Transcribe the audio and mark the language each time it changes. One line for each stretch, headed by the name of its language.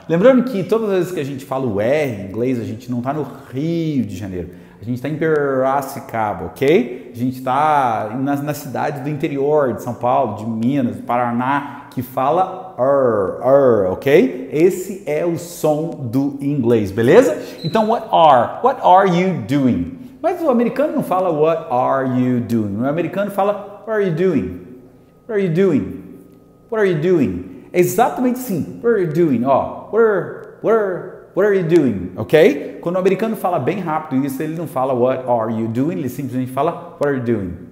Portuguese: Lembrando que todas as vezes que a gente fala o R em inglês, a gente não está no Rio de Janeiro. A gente está em Piracicaba, ok? A gente está na cidade do interior de São Paulo, de Minas, do Paraná, que fala R, ok? Esse é o som do inglês, beleza? Então,
English: what are you doing?
Portuguese: Mas o americano não fala
English: what are you doing?
Portuguese: O americano fala
English: what are you doing? What are you doing? What are you doing?
Portuguese: É exatamente assim,
English: what are you doing? Ó, what are you doing? Ok?
Portuguese: Quando o americano fala bem rápido isso, ele não fala
English: what are you doing,
Portuguese: ele simplesmente fala what are you doing?